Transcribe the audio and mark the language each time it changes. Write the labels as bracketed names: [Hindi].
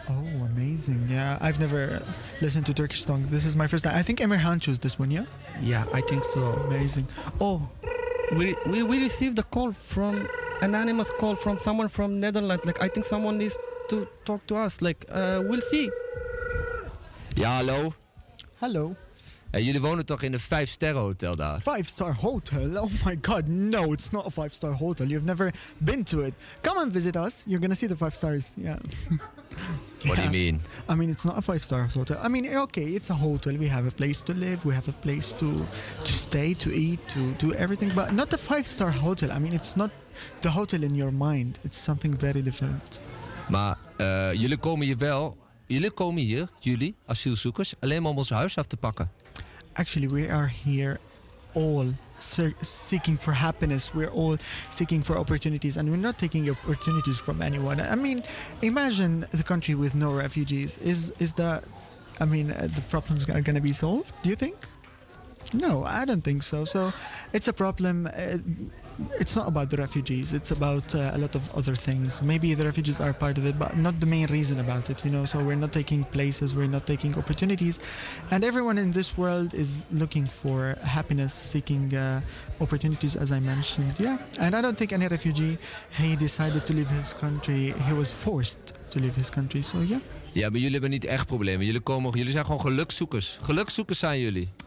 [English] Oh, amazing. Yeah, I've never listened to Turkish song. This is my first time. I think Emirhan chose this one, yeah? Yeah, I think so. Amazing. Oh, we received a call from an anonymous call from someone from Netherlands. Like, I think someone needs to talk to us. Like, we'll see. Yeah, hello. Hello. [Dutch] En jullie wonen toch in een 5-sterren hotel daar? [English] 5-star hotel? Oh my god, no, it's not a 5-star hotel. You've never been to it. Come and visit us. You're gonna see the 5 stars. Yeah. What do you mean? I mean, it's not a five-star hotel. I mean, okay, it's a hotel. We have a place to live. We have a place to stay, to eat, to do everything. But not a five-star hotel. I mean, it's not the hotel in your mind. It's something very different. [Dutch] Maar jullie komen hier wel. Jullie komen hier, jullie, asielzoekers, alleen maar om ons huis af te pakken. [English] Actually, we are here all seeking for happiness. We're all seeking for opportunities. And we're not taking opportunities from anyone. I mean, imagine the country with no refugees. Is that, I mean, the problems are going to be solved, do you think? No, I don't think so. So it's a problem. It's not about the refugees. It's about a lot of other things. Maybe the refugees are part of it, but not the main reason about it, you know. So we're not taking places, we're not taking opportunities. And everyone in this world is looking for happiness, seeking opportunities, as I mentioned. Yeah, and I don't think any refugee, he decided to leave his country. He was forced to leave his country, so yeah. [Dutch] Ja, maar jullie hebben niet echt problemen. Jullie komen, jullie zijn gewoon gelukzoekers. Gelukzoekers zijn jullie.